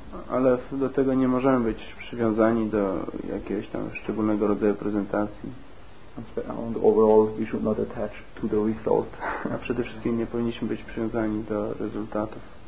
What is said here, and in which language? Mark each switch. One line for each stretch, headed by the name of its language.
Polish: Ale do tego nie możemy być przywiązani do jakiegoś tam szczególnego rodzaju prezentacji.
English: And overall, we should not attach to the result.
Polish: A przede wszystkim nie powinniśmy być przywiązani do rezultatów.